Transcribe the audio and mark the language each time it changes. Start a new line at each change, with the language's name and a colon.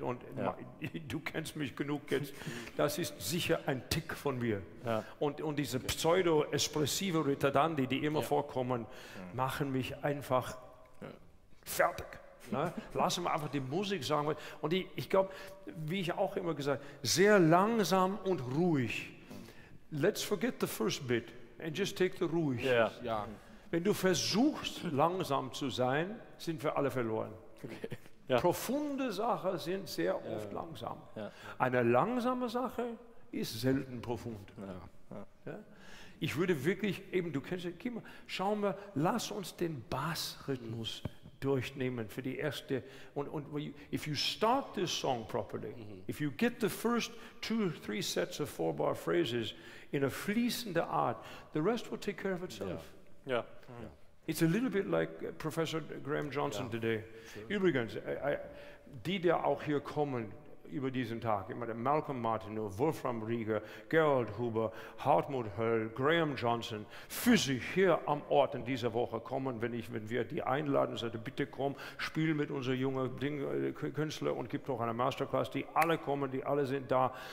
German: Und du kennst mich genug jetzt, das ist sicher ein Tick von mir. Ja. Und diese pseudo-espressive Ritardandi, die immer vorkommen, machen mich einfach fertig. Ne? Lassen wir einfach die Musik sagen. Und ich glaube, wie ich auch immer gesagt habe, sehr langsam und ruhig.
English: Let's forget the first bit and just take the ruhig. Yeah.
German: Ja. Wenn du versuchst, langsam zu sein, sind wir alle verloren. Okay. Ja. Profunde Sachen sind sehr oft langsam. Ja. Eine langsame Sache ist selten profund. Ja. Ja. Ich würde wirklich, eben, du kennst es, schau mal, lass uns den Bassrhythmus durchnehmen für die erste und
English: if you start this song properly, if you get the first two or three sets of four bar phrases in a
German: fließende Art,
English: the rest will take care of itself. It's a little bit like Professor Graham Johnson today. Sure.
German: Übrigens, die auch hier kommen über diesen Tag, immer der Malcolm Martineau, Wolfram Rieger, Gerald Huber, Hartmut Höll, Graham Johnson, physisch hier am Ort in dieser Woche kommen, wenn wir die einladen, sagte, bitte komm, spiel mit unseren jungen Künstlern und gibt noch eine Masterclass, die alle kommen, die alle sind da.